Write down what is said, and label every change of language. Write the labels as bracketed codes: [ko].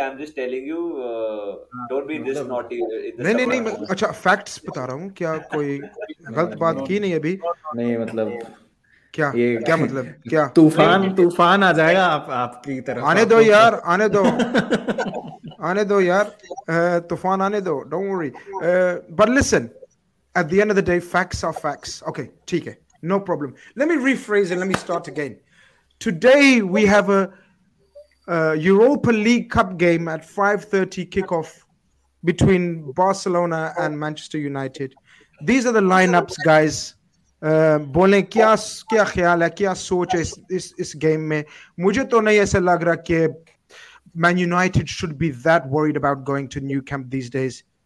[en] I'm just telling you, don't be this naughty. [hi] अच्छा facts बता रहा हूँ क्या कोई गलत बात की नहीं अभी? नहीं मतलब क्या ये क्या मतलब क्या तूफान तूफान आ जाएगा आप आपकी तरफ आने दो यार आने दो आने दो यार तूफान आने दो [en] don't worry but listen at the end of the day facts are facts okay [hi] ठीक है [en] no problem let me rephrase and let me start again today we have a Europa League Cup game at 5:30 kickoff between Barcelona and Manchester United. These are the lineups, guys. [hi] बोलें क्या क्या ख्याल है क्या सोच है इस गेम में मुझे तो नहीं ऐसा लग रहा कि [en] Man United should be that worried about going to New Camp these days.